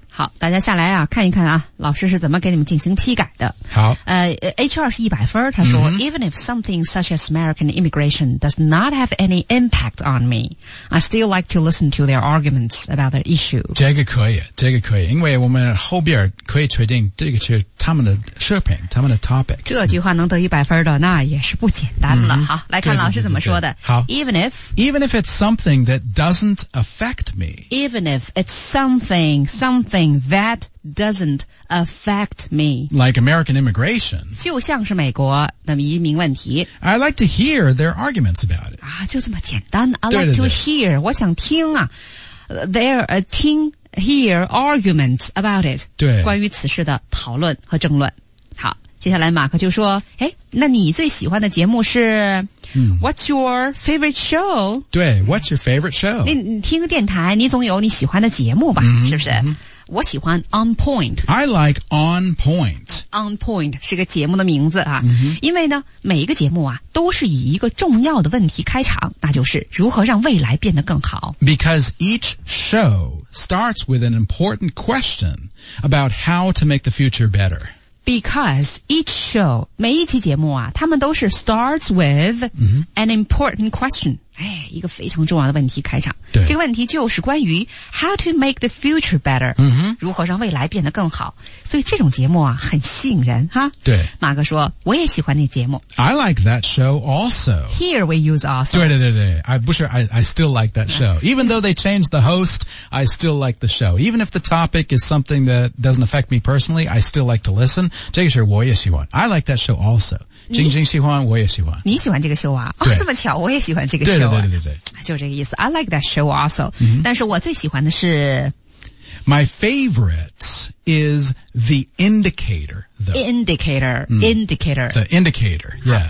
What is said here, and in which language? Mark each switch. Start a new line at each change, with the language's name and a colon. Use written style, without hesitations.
Chinese: 好大家下来啊看一看啊老师是怎么给你们进行批改的。好。 HR 是100分他说、mm-hmm.
English: even if something such as American immigration does not have any impact on me, I still like to listen to their arguments about the issue.
Chinese: 这个可以这个可以因为我们后边可以确定这个是他们的视频他们的 topic。这句话能得100分的那也是不简单了。 Mm-hmm. 好来看老师怎么说的。好。
English: Even if it's something that doesn't affect me. Even if it's something that doesn't affect me. Like American immigration.
Chinese: 就像是美国的移民问题。
English: I like to hear their arguments about it.
Chinese: 啊就这么简单。
English: I like to hear,
Chinese: 我想听啊。
English: Hear arguments about it.
Chinese: 对。关于此事的讨论和争论。好接下来马克就说，诶，那你最喜欢的节目是、嗯、
English: What's your favorite show? 对， What's your favorite show?
Chinese: 你听个电台，你总有你喜欢的节目吧、 mm-hmm. 是不是、 mm-hmm. 我喜欢 On Point.
English: I like On Point.
Chinese: On Point 是个节目的名字啊、 mm-hmm. 因为呢每一个节目啊都是以一个重要的问题开场，那就是如何让未来变得更好。
English: Because each show starts with an important question about how to make the future better. Because each show,
Chinese: 每一期节目啊，他们都是
English: starts with an important question.
Chinese: 哎，一个非常重要的问题开场。对。这个问题就是关于
English: how to make the future better,、嗯、
Chinese: 如何让未来变得更好。所以这种节目啊，很吸引人哈。对。马哥说，我也喜欢那节目。
English: I like that show also. Here we use also. 对对对对。I still like that show. Even though they changed the host, I still like the show. Even if the topic is something that doesn't affect me personally, I still like to listen.
Chinese: 这个事我也喜欢。
English: I like that show also.
Chinese: 晶晶喜欢，我也喜欢。你喜欢这个秀啊？哦，这么巧，我也喜欢这个秀、啊。对对对对对，就这个意思。
English: I like that show also、嗯。
Chinese: 但是我最喜欢的是
English: ，My favorite is the indicator. The indicator,、嗯、indicator, the indicator. Yeah，